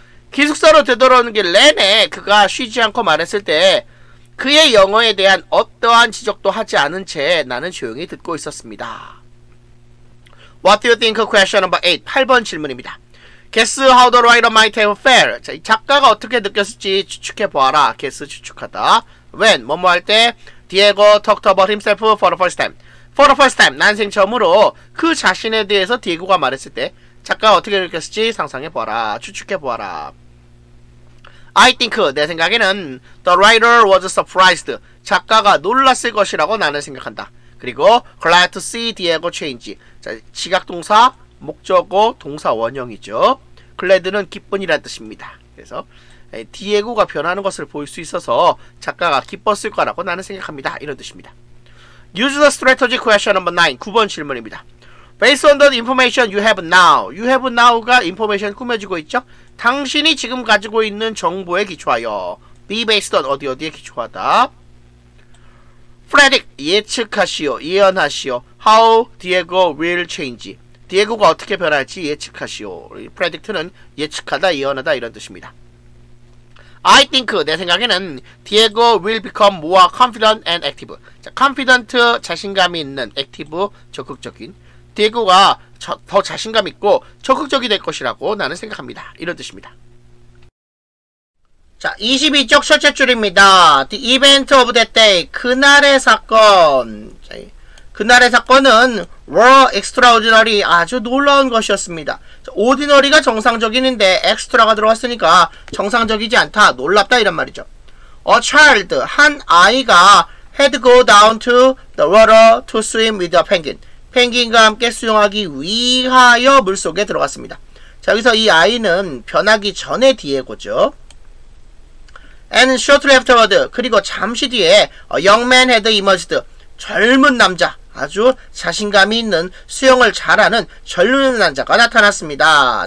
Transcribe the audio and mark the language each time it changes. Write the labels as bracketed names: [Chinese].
[Korean] 기숙사로 되돌아오는 길 내내 그가 쉬지 않고 말했을 때 그의 영어에 대한 어떠한 지적도 하지 않은 채 나는 조용히 듣고 있었습니다. [English] What do you think of question number 8? [Korean] 8번 질문입니다. [English] Guess how the writer might have felt. [Korean] 자, 이 작가가 어떻게 느꼈을지 추측해보아라. Guess 추측하다. [English] When, [Korean] 뭐뭐 할 때, [English] Diego talked about himself for the first time. For the first time, [Korean] 난생 처음으로 그 자신에 대해서 Diego가 말했을 때, 작가가 어떻게 느꼈을지 상상해보아라. 추측해보아라. [English] I think, [Korean] 내 생각에는, [English] the writer was surprised. [Korean] 작가가 놀랐을 것이라고 나는 생각한다. 그리고, [English] glad to see Diego change. [Korean] 자, 지각동사, 목적어, 동사 원형이죠. glad는 기쁜이란 뜻입니다. 그래서, 디에고가 변하는 것을 볼 수 있어서 작가가 기뻤을 거라고 나는 생각합니다. 이런 뜻입니다. [English] Use the strategy question number 9. [Korean] 9번 질문입니다. [English] Based on the information you have now. You have now가 information [Korean] 꾸며지고 있죠? 당신이 지금 가지고 있는 정보에 기초하여. Be based on 어디 어디에 기초하다. Predict 예측하시오. 예언하시오. [English] How Diego will change. [Korean] 디에고가 어떻게 변할지 예측하시오. Predict는 예측하다, 예언하다 이런 뜻입니다. [English] I think, [Korean] 내 생각에는, [English] Diego will become more confident and active. [Korean] 자, confident, 자신감이 있는, active, 적극적인. Diego가 더 자신감 있고 적극적이 될 것이라고 나는 생각합니다. 이런 뜻입니다. 자, 22쪽 첫째 줄입니다. [English] The event of that day, [Korean] 그날의 사건. 자, 그날의 사건은 [English] were extraordinary, [Korean] 아주 놀라운 것이었습니다. ordinary가 정상적인데 extra가 들어왔으니까 정상적이지 않다, 놀랍다 이런 말이죠. [English] A child, [Korean] 한 아이가 [English] had go down to the water to swim with a penguin. [Korean] 펭귄과 함께 수영하기 위하여 물속에 들어갔습니다. 자, 여기서 이 아이는 변하기 전에 디에고죠. [English] And shortly afterward, [Korean] 그리고 잠시 뒤에 [English] young man had emerged, [Korean] 젊은 남자, 아주 자신감이 있는 수영을 잘하는 젊은 남자가 나타났습니다.